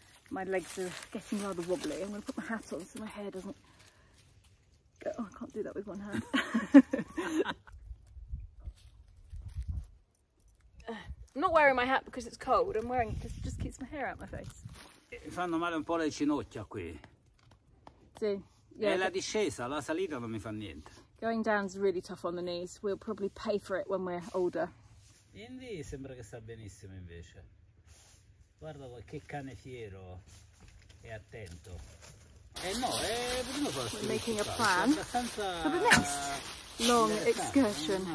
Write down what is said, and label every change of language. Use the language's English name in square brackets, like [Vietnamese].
[English] My legs are getting rather wobbly. I'm going to put my hat on so my hair doesn't go. Oh, I can't do that with one hand. I'm not wearing my hat because it's cold. I'm wearing it because it just keeps my hair out my face. [Italian] Mi fanno male un po' le ginocchia qui. Sì. Yeah, la discesa, la salita non mi fa niente. [English] Going down is really tough on the knees. We'll probably pay for it when we're older. [Italian] Indy sembra che sta benissimo invece. Guarda che cane fiero e attento. No, è Bruno. [English] We're making a plan for the next long excursion.